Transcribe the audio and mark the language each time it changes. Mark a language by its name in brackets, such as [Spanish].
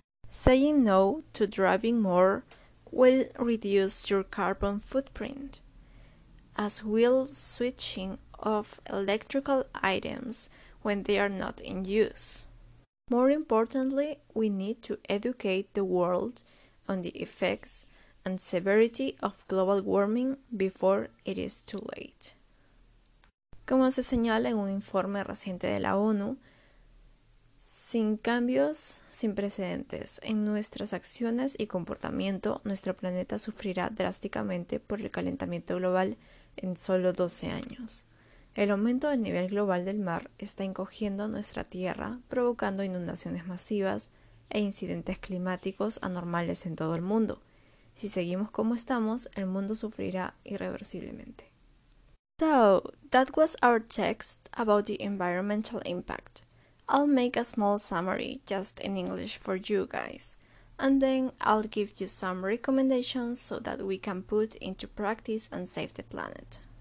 [English] Saying no to driving more will reduce your carbon footprint, as will switching off electrical items when they are not in use. More importantly, we need to educate the world on the effects and severity of global warming before it is too late. [Spanish] Como se señala en un informe reciente de la ONU, sin cambios sin precedentes en nuestras acciones y comportamiento, nuestro planeta sufrirá drásticamente por el calentamiento global en solo 12 años. El aumento del nivel global del mar está encogiendo nuestra Tierra, provocando inundaciones masivas e incidentes climáticos anormales en todo el mundo. Si seguimos como estamos, el mundo sufrirá irreversiblemente. [English] So, that was our text about the environmental impact. I'll make a small summary just in English for you guys, and then I'll give you some recommendations so that we can put into practice and save the planet.